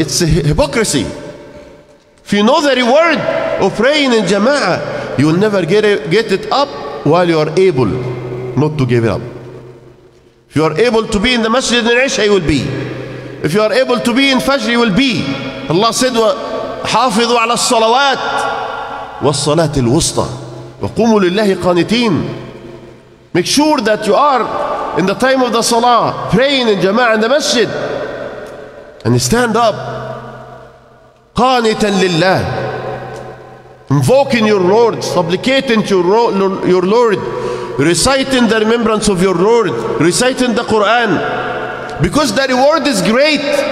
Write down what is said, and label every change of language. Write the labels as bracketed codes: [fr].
[en] It's a hypocrisy. If you know the reward of praying in Jama'ah, you will never get it up while you are able not to give it up. If you are able to be in the Masjid in Isha, you will be. If you are able to be in Fajr, you will be. Allah said, [ar] حافظوا على الصلوات والصلاة الوسطى وقوموا لله قانتين. [en] Make sure that you are in the time of the Salah, praying in Jama'ah in the Masjid. And stand up, [ar] قانتا لله. [en] Invoking your Lord, supplicating to your Lord. Reciting the remembrance of your Lord, reciting the Quran, because the reward is great.